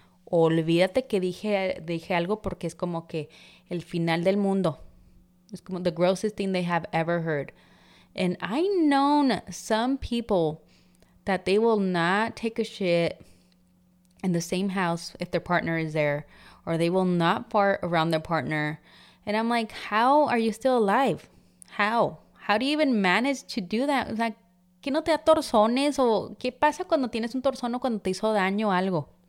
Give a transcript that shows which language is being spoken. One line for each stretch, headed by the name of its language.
Spanish: Olvídate que dije algo, porque es como que el final del mundo.
English: It's
Spanish: como
English: the grossest thing they have ever heard. And I know some people that they will not take a shit in the same house if their partner is there, or they will not fart around their partner. And I'm like, how are you still alive? How? How do you even manage to do that? It's like,
Spanish: ¿qué no te da torzones? ¿O qué pasa cuando tienes un torzón o cuando te hizo daño o algo?